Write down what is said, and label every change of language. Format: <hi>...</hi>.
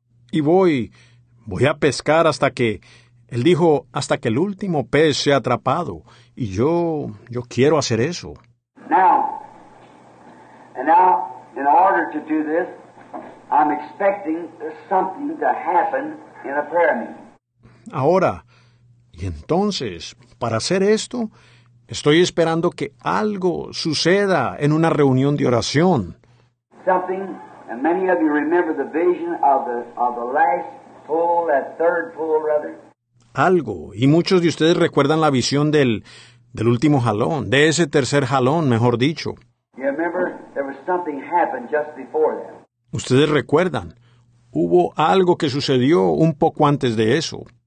<es>Y voy a pescar hasta que, él dijo, hasta que el último pez sea atrapado. Y yo quiero hacer eso.</es> <en>Now, in order to do this, I'm expecting something to happen in a prayer meeting.</en> <es>Ahora, y entonces, para hacer esto, estoy esperando que algo suceda en una reunión de oración.</es> <en>Something, and many of you remember the vision of the last pool, that third pool, rather.</en> <es>Algo, y muchos de ustedes recuerdan la visión del último jalón, de ese tercer jalón, mejor dicho.</es> <en>You remember there was something happened just before that.</en> <es>Ustedes recuerdan, hubo algo que sucedió un poco antes de eso.</es>